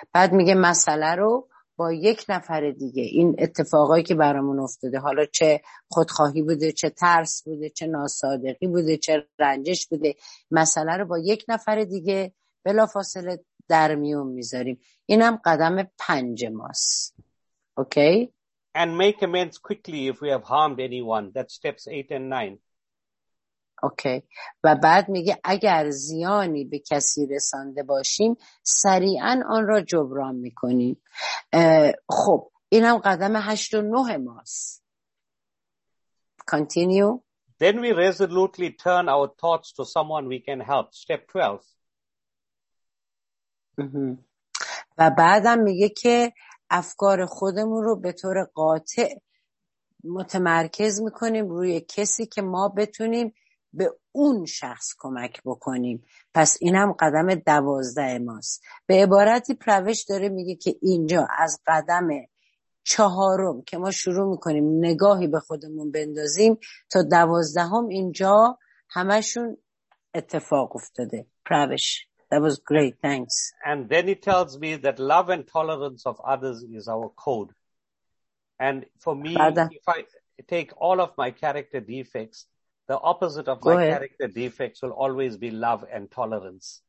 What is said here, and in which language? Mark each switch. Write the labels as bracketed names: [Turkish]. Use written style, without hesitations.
[Persian] بعد میگه مسئله رو با یک نفر دیگه، این اتفاقایی که برامون افتاده، حالا چه خودخواهی بوده، چه ترس بوده، چه ناسادقی بوده، چه رنجش بوده، مسئله رو با یک نفر دیگه بلافاصله در میون میذاریم. اینم قدم 5 ماست. اوکی. [English] And make amends quickly if we have harmed anyone. That's steps 8 and 9. Okay. [Persian] و بعد میگه اگر زیانی به کسی رسانده باشیم سریعا آن را جبران میکنیم. خب اینم قدم 8 و 9 ماست. [English] Continue. Then we resolutely turn our thoughts to someone we can help. Step 12. [Persian] و بعدم میگه که افکار خودمون رو به طور قاطع متمرکز میکنیم روی کسی که ما بتونیم به اون شخص کمک بکنیم. پس اینم قدم 12 ماست. به عبارتی پروش داره میگه که اینجا از قدم 4 که ما شروع میکنیم نگاهی به خودمون بندازیم تا 12 اینجا همشون اتفاق افتاده. [English] پروش، that was great, thanks. And then he tells me that love and tolerance of others is our code. And for me, if I take all of my character defects, the opposite of my character defects will always be love and tolerance.